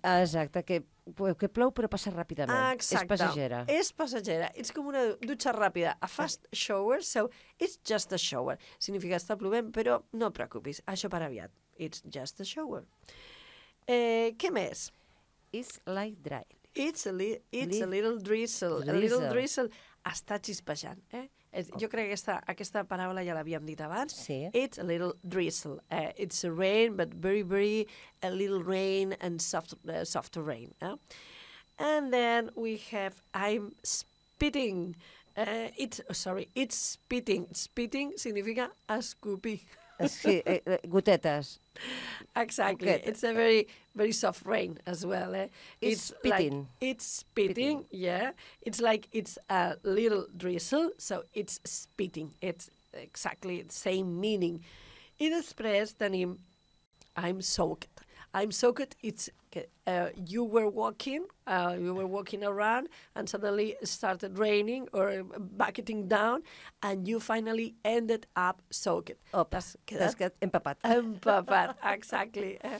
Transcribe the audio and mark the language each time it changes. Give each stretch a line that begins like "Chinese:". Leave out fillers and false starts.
Catalan: Exacte, que plou però passa ràpidament. Exacte. És passagera.
English: It's
Catalan: com una ducha ràpida.
English: A fast shower, so it's just a shower.
Catalan: Significa estar plovent, però no preocupis. Això per aviat.
English: It's just a shower.
Catalan: Què més?
English: It's light drizzle. It's a little drizzle. A little drizzle.
Catalan: està xispejant, eh? Es, jo crec que aquesta paraula ja l'havíem dit abans. Sí.
English: It's a little drizzle. It's a rain, but very, very a little rain and soft, soft rain. Eh? And then we have I'm spitting. It's spitting. Spitting
Catalan: significa escupir. Sí, gotetes.
English: Exactly.
Catalan: Gotetes.
English: It's a very, very soft rain as well. Eh? It's spitting. Like, it's spitting, spitting, yeah. It's like it's a little drizzle, so it's spitting. It's exactly the same meaning.
Catalan: I després tenim
English: I'm soaked. I'm soaked, it's you were walking around and suddenly started raining or bucketing down and you finally ended up soaked.
Catalan: Opa, t'has quedat empapat. Empapat,
English: exactly.